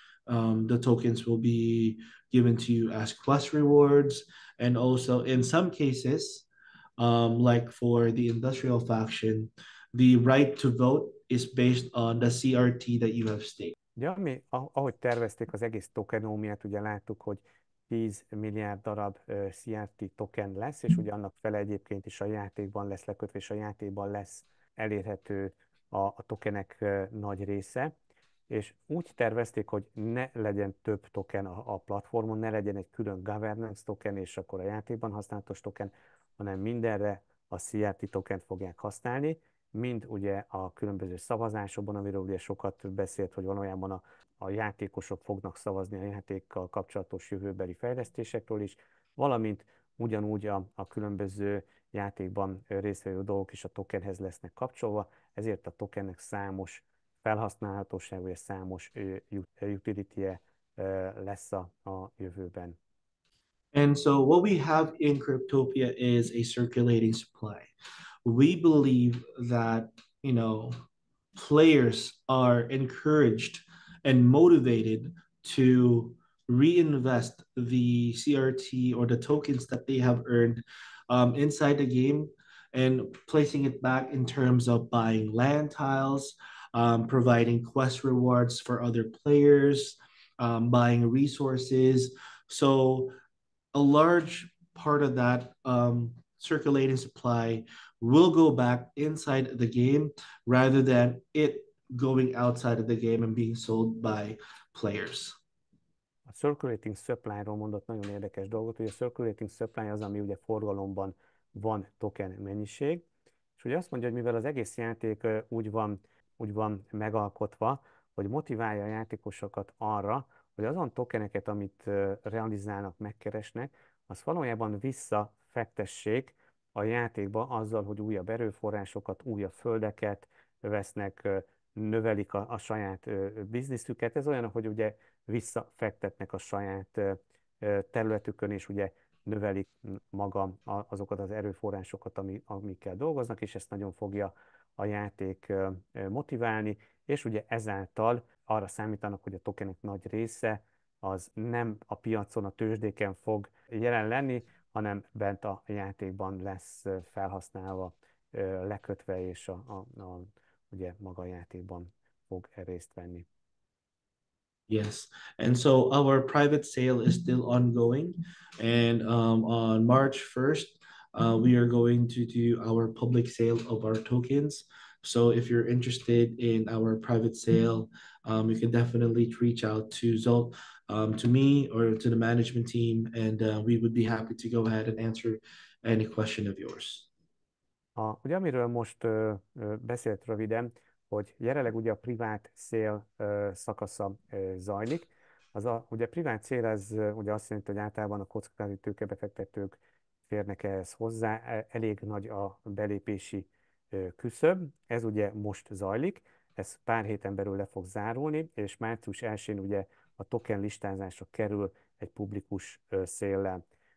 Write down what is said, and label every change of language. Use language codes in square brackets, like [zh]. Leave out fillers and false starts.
[en] The tokens will be given to you as quest rewards. And also in some cases, like for the industrial faction, the right to vote is based on the CRT that you have staked. [hu] Ja, mi, ahogy tervezték az egész tokenómiát, ugye láttuk, hogy 10 milliárd darab CRT token lesz, és ugye annak fele egyébként is a játékban lesz lekötve, és a játékban lesz elérhető a tokenek nagy része. És úgy tervezték, hogy ne legyen több token a platformon, ne legyen egy külön governance token, és akkor a játékban használatos token, hanem mindenre a CRT tokent fogják használni, mind ugye a különböző szavazásokban, amiről ugye sokat beszélt, hogy valójában a játékosok fognak szavazni a játékkal kapcsolatos jövőbeli fejlesztésekről is, valamint ugyanúgy a különböző játékban résztvevő dolgok is a tokenhez lesznek kapcsolva, ezért a tokennek számos felhasználhatóság, vagy számos utility-e lesz a jövőben. [en] And so what we have in Cryptopia is a circulating supply. We believe that, you know, players are encouraged and motivated to reinvest the CRT or the tokens that they have earned inside the game and placing it back in terms of buying land tiles, providing quest rewards for other players, buying resources. So a large part of that circulating supply will go back inside the game rather than it going outside of the game and being sold by players. [hu] A circulating supply-ról mondott nagyon érdekes dolgot, hogy a circulating supply az, ami ugye forgalomban van token mennyiség, és ugye azt mondja, hogy mivel az egész játék úgy van megalkotva, hogy motiválja a játékosokat arra, hogy azon tokeneket, amit realizálnak, megkeresnek, az valójában visszafektessék a játékba azzal, hogy újabb erőforrásokat, újabb földeket vesznek, növelik a saját bizniszüket. Ez olyan, hogy ugye visszafektetnek a saját területükön, és ugye növelik maga azokat az erőforrásokat, amikkel dolgoznak, és ezt nagyon fogja a játék motiválni, és ugye ezáltal arra számítanak, hogy a tokenek nagy része az nem a piacon, a tőzsdéken fog jelen lenni, hanem bent a játékban lesz felhasználva, lekötve, és ugye maga a játékban fog részt venni. [en] Yes, and so our private sale is still ongoing, and on March 1st, we are going to do our public sale of our tokens. So if you're interested in our private sale, you can definitely reach out to Zolt, to me or to the management team, and we would be happy to go ahead and answer any question of yours. [hu] Ugye amiről most beszélt röviden, hogy jelenleg ugye a privát cél szakasza zajlik. Az ugye a privát cél, ez ugye azt jelenti, hogy általában a kockázati tőkebefektetők férnek ehhez hozzá, elég nagy a belépési küszöb, ez ugye most zajlik, ez pár héten belül le fog zárulni, és március 1-én ugye a token listázásra kerül egy publikus széllel.